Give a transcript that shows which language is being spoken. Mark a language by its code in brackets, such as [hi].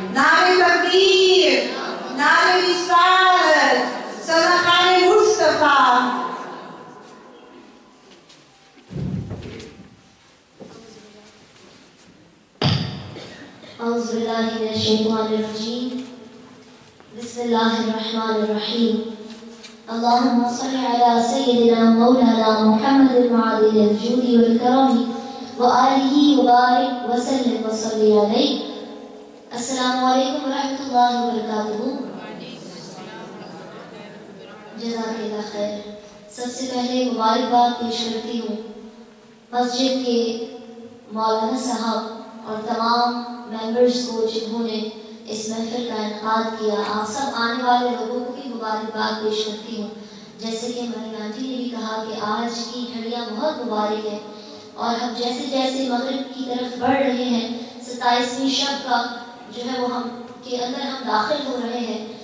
[ur] नारे तकबीर नारे रिसालत सल्लल्लाहु मुस्तफा। [ar] औज़ु बिल्लाहि मिनश शैतानिर रजीम बिस्मिल्लाहिर रहमानिर रहीम। اللهم صل على سيدنا مولانا محمد المعادل الجود والكرم وآله وبارك وسلم وصل عليه. السلام عليكم ورحمة الله وبركاته. جزاك الله خير. [ur] سب سے پہلے مبارک بات پیش کرتی ہوں مسجد کے مولانا صاحب اور تمام ممبرز کو جنہوں نے اس محفل کا انعقاد کیا. آپ سب آنے والے لوگوں کو بھی مبارکباد پیش کرتی ہوں. جیسے کہ ہماری آنٹی نے بھی کہا کہ آج کی گھڑیاں بہت مبارک ہیں اور ہم جیسے جیسے مغرب کی طرف بڑھ رہے ہیں 27ویں شب کا جو ہے وہ ہم کے اندر ہم داخل ہو رہے ہیں.